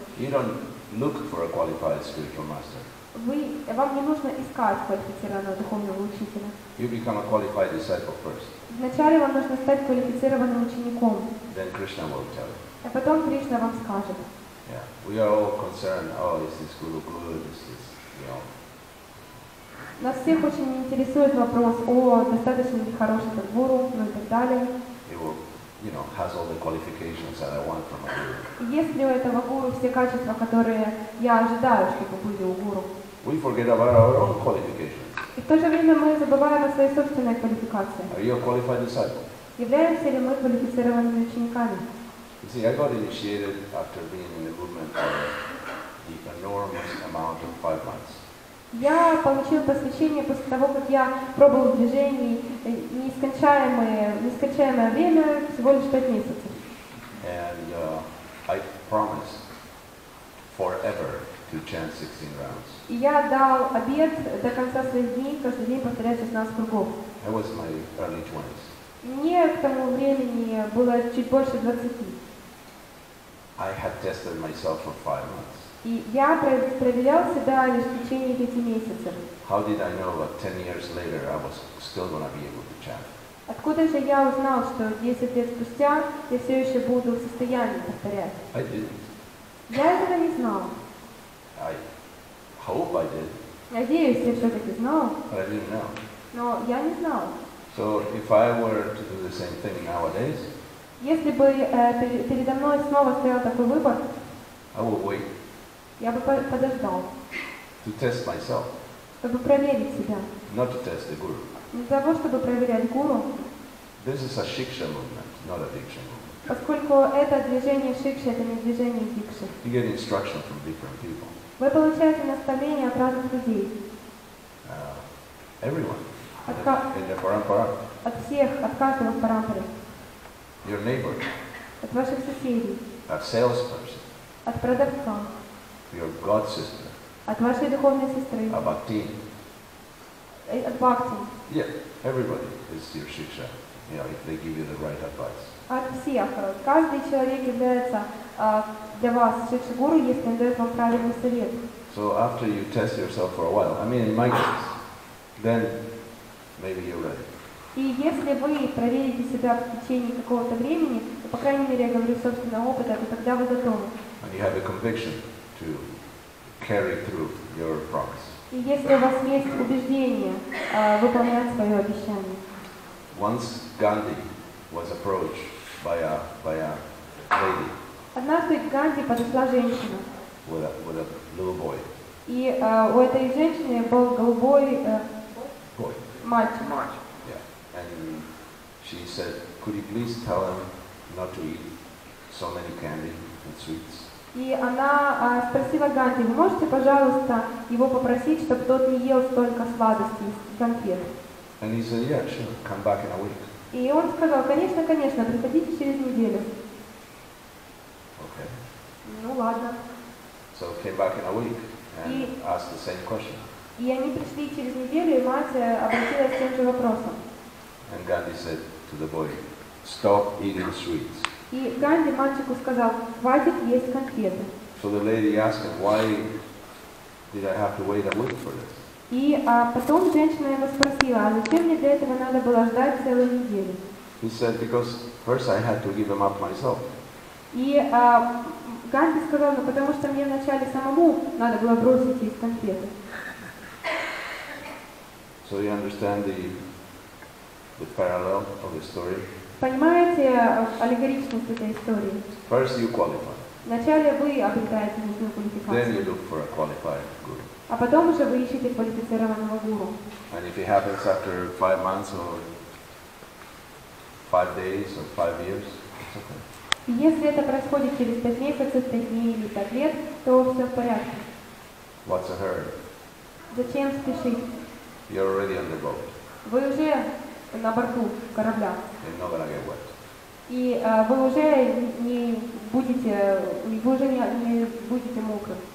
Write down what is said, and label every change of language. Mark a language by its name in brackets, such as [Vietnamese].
[English] You don't look for a qualified spiritual master. [Russian] Вам не нужно искать квалифицированного духовного учителя. [English] You become a qualified disciple first. [Russian] Вначале вам нужно стать квалифицированным учеником. [English] Then Krishna will tell you. [Russian] А потом Кришна вам скажет. [English] Yeah, we are all concerned. Oh, is this guru good? Is this, you know? [Russian] Нас всех очень интересует вопрос о достаточно ли хороший этот гуру, ну и так далее. [English] He will, you know, has all the qualifications that I want from a guru. [Russian] Есть ли у этого гуру все качества, которые я ожидаю, чтобы были у гуру? [English] We forget about our own qualifications. [Russian] И в то же время мы забываем о своей собственной квалификации. [English] Are you a qualified disciple? [Russian] Являемся ли мы квалифицированными учениками? [English] You see, I got initiated after being in the movement for the enormous amount of 5 months. [Russian] Я получил посвящение после того, как я пробовал в движении нескончаемое время, всего лишь 5 месяцев. [English] And I promised forever to chant 16 rounds. [Russian] И я дал обет до конца своих дней, каждый день повторять 16 кругов. [English] That was my early 20s. [Russian] Мне к тому времени было чуть больше 20. [English] I had tested myself for 5 months. [Russian] И я проверял себя лишь в течение 5 месяцев. [English] How did I know that 10 years later I was still going to be able to chant? [Russian] Откуда же я узнал, что 10 лет спустя я все еще буду в состоянии повторять? [English] I didn't. [Russian] Я этого не знал. [English] I hope I did. [Russian] Надеюсь, я все-таки знал. [English] But I didn't know. [Russian] Но я не знал. [English] So if I were to do the same thing nowadays. [Russian] Если бы передо мной снова стоял такой выбор, [English] I would wait. [Russian] Я бы подождал. [English] To test myself. [Russian] Чтобы проверить себя. [English] Not to test the guru. [Russian] Не для того, чтобы проверять гуру. [English] This is a shiksha movement, not a diksha movement. [Russian] Поскольку это движение шикши, это не движение дикши. [English] You get instruction from different people. [Russian] Вы получаете наставления от разных людей. [English] Everyone. In the parampara. [Russian] От всех, от каждого парампары. [English] Your neighbor. [Russian] От ваших соседей. [English] At salesperson. [Russian] От продавца. [English] Your god sister. [Russian] От вашей духовной сестры. [English] A bhakti. [Russian] At bhakti. [English] Yeah, everybody is your shiksha. You know, if they give you the right advice. [Russian] От всех. Каждый человек является для вас шикша гуру, если он дает вам правильный совет. [English] So after you test yourself for a while, I mean in my case, then maybe you're ready. [Russian] И если вы проверите себя в течение какого-то времени, то, по крайней мере, я говорю собственного опыта, то тогда вы готовы. [English] And you have a conviction to carry through your promise. [Russian] И если у вас есть убеждение выполнять свое обещание. [English] Once Gandhi was approached by a lady. [Russian] Однажды к Ганди подошла женщина. [English] With a little boy. [Russian] И у этой женщины был голубой мальчик. [English] And she said, could you please tell him not to eat so many candy and sweets? [Russian] И она спросила Ганди, вы можете, пожалуйста, его попросить, чтобы тот не ел столько сладостей, конфет? [English] And he said, yeah, sure, come back in a week. [Russian] И он сказал, конечно, конечно, приходите через неделю. [English] Okay. [Russian] Ну, ладно. [English] So came back in a week and asked the same question. [Russian] И они пришли через неделю, и мать обратилась к тем же вопросам. [English] And Gandhi said to the boy, "Stop eating sweets." [Russian] И Ганди мальчику сказал, хватит есть конфеты. [English] So the lady asked him, "Why did I have to wait a week for this?" [Russian] И потом женщина его спросила, а зачем мне для этого надо было ждать целую неделю? [English] He said, "Because first I had to give him up myself." [Russian] И Ганди сказал, ну потому что мне вначале самому надо было бросить есть конфеты. [English] So you understand the parallel of the story. [Russian] Понимаете аллегоричность этой истории? [English] First you qualify. [Russian] Вначале вы обретаете нужную квалификацию. [English] Then you look for a qualified guru. [Russian] А потом уже вы ищете квалифицированного гуру. [English] And if it happens after 5 months or 5 days or 5 years, it's okay. [Russian] Если это происходит через 5 месяцев, 5 дней или 5 лет, то все в порядке. [English] What's the hurry? [Russian] Зачем спешить? [English] You're already on the boat. [Russian] Вы уже на борту корабля. [English] You're not gonna get wet. [Russian] И вы уже не будете мокрым.